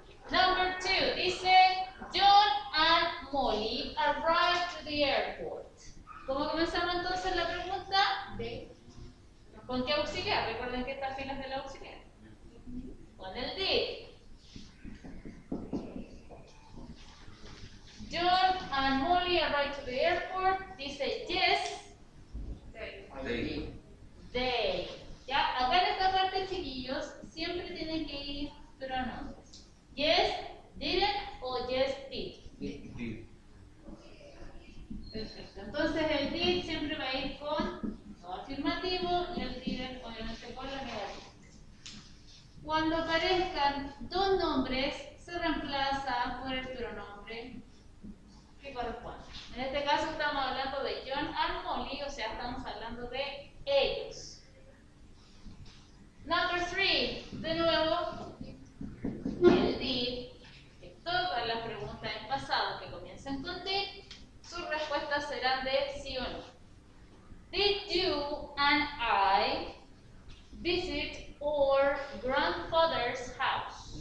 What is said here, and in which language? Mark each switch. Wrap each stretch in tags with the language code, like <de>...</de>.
<en>Number two dice John and Molly arrived to the airport.</en> <es>¿Cómo comenzamos entonces la pregunta? De. ¿Con qué auxiliar? Recuerden que estas filas de la auxiliar. Con el did.</es> <en>John and Molly arrived to the airport.</en> <es>Dice yes.</es> <en>They. They.</en> <es>Ya, acá en esta parte, chiquillos, siempre tienen que ir pronombres.</es> <en>Yes, didn't o yes, did. Did.</en> <es>Perfecto. Entonces el did siempre va a ir con lo afirmativo y el didn't obviamente con lo negativo. Cuando aparezcan dos nombres, se reemplaza por el pronombre que corresponde. En este caso estamos hablando de John and Molly, o sea, estamos hablando de ellos. Number three, de nuevo, el did, que todas las preguntas en pasado que comiencen con did, sus respuestas serán de sí o no.</es> <en>Did you and I visit our grandfather's house?</en>